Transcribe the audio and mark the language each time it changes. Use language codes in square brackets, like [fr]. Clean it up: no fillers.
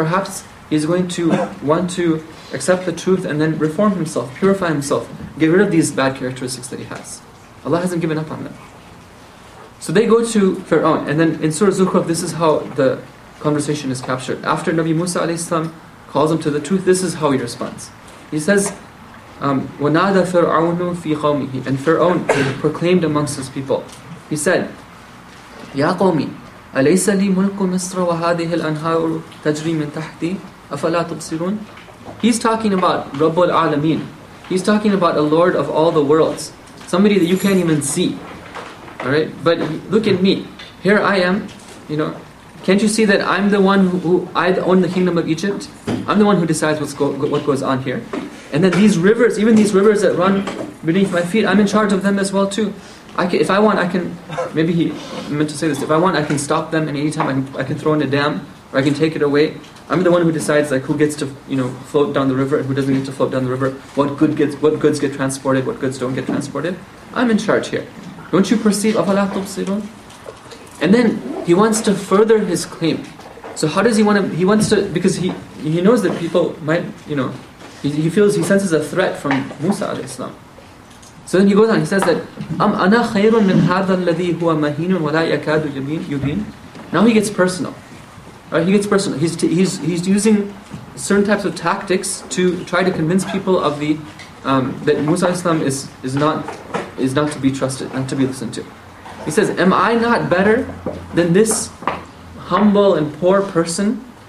[en] Perhaps he's going to want to accept the truth and then reform himself, purify himself, get rid of these bad characteristics that he has. Allah hasn't given up on them. So they go to Fir'aun, and then in Surah Zukhruf, this is how the conversation is captured. After Nabi Musa alayhi salam calls him to the truth, this is how he responds. He says, [ar] وَنَادَ فِرْعَوْنُ فِي قَوْمِهِ. [en] And Fir'aun proclaimed amongst his people. He said, [ar] يَا قَوْمِ أَلَيْسَ لِي مُلْكُ مِصْرَ وَهَذِهِ الْأَنْهَارُ تَجْرِي مِنْ تَحْتِي أَفَلَا تُبْصِرُونَ. [en] He's talking about Rabbul Alameen. He's talking about a Lord of all the worlds, somebody that you can't even see. Alright? But look at me. Here I am, you know, can't you see that I'm the one who I own the kingdom of Egypt? I'm the one who decides what goes on here. And then these rivers, even these rivers that run beneath my feet, I'm in charge of them as well too. If I want, I can stop them, and anytime I can throw in a dam, or I can take it away. I'm the one who decides, like, who gets to, you know, float down the river and who doesn't get to float down the river, what goods get transported, what goods don't get transported. I'm in charge here. Don't you perceive? [ar] أَفَلَا تُبْصِرُونَ. [en] And then he wants to further his claim. So how does he knows that people might, you know, he senses a threat from Musa alayhi salam. So then he goes on, he says that, [ar] أَمْ أَنَا خَيْرٌ مِنْ هَذَا الَّذِي هُوَ مَهِينٌ وَلَا يَكَادُ يُبِينٌ. [en] Now he gets personal. Right? He gets personal. He's using certain types of tactics to try to convince people of the that Musa alayhi salam is not to be trusted, not to be listened to. He says, am I not better than this humble and poor person?